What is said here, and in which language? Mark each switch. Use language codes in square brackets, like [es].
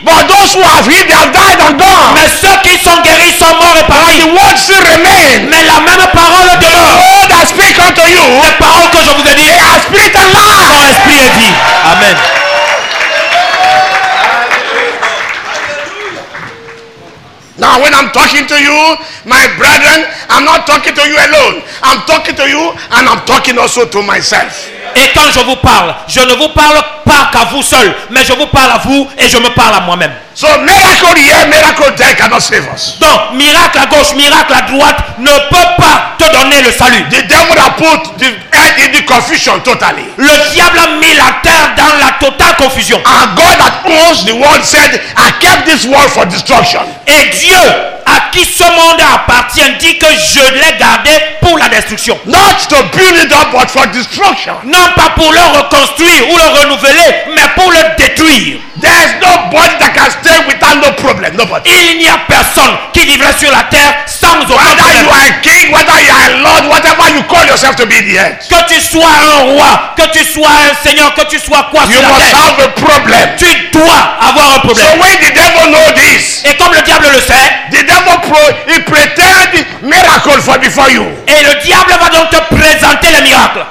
[en] But those who have healed, they have died and gone. [fr] Mais ceux qui sont guéris sont morts et pareil. [en] The word still remains. [fr] Mais la même parole demeure. [en] The word I speak unto you. [fr] Les paroles que je vous ai dit. [en] They are spirit and life. [fr] Son esprit est vie. [en] Amen. Now when I'm talking to you, my brethren, I'm not talking to you alone. I'm talking to you and I'm talking also to myself. [fr] Et quand je vous parle, je ne vous parle pas qu'à vous seul, mais je vous parle à vous et je me parle à moi-même. [en] So miracle here, miracle there cannot save us. [fr] Donc miracle à gauche, miracle à droite ne peut pas te donner le salut. [en] The devil has put the head in the confusion totally. [fr] Le diable a mis la terre dans la totale confusion. [en] And God that owns the world said, I kept this world for destruction. [fr] Et Dieu à qui ce monde appartient dit que je l'ai gardé pour la destruction. [en] Not to build it up, but for destruction. [fr] Non pas pour le reconstruire ou le renouveler, mais pour le détruire. [en] There's nobody that can stay without no problem. Nobody. [fr] Il n'y a personne qui vivrait sur la terre sans aucun [en] Whether you are a king, whether you are a lord, whatever you call yourself to be in the end. [fr] Que tu sois un roi, que tu sois un seigneur, que tu sois quoi [en] you [fr] sur la terre. [en] You must have a problem. [fr] Tu dois avoir un problème. [en] So when the devil knows this. [fr] Et comme le diable le sait. [en] The devil pretend miracle for before you. [fr] Et le diable va donc te présenter les miracles.